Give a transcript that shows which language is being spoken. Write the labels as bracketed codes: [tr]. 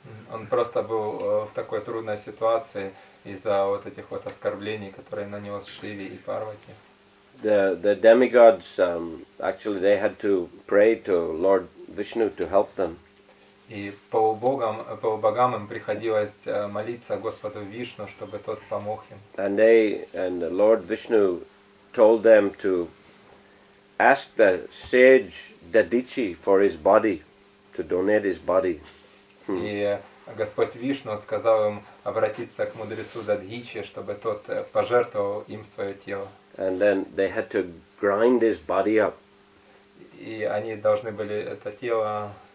[ru] Он просто был в такой трудной ситуации из-за вот этих вот оскорблений, которые нанес Шиве и Парвати. [en] The demigods, actually they had to pray to Lord Vishnu to help them. [ru] И полубогам им приходилось молиться Господу Вишну, чтобы тот помог им. [en] And Lord Vishnu told them to ask the sage Dadichi for his body, to donate his body. [ru] И Господь Вишну сказал им обратиться к мудрецу Дадичи, чтобы тот пожертвовал им свое тело. [en] And then they had to grind his body up. [ru] И они должны были это тело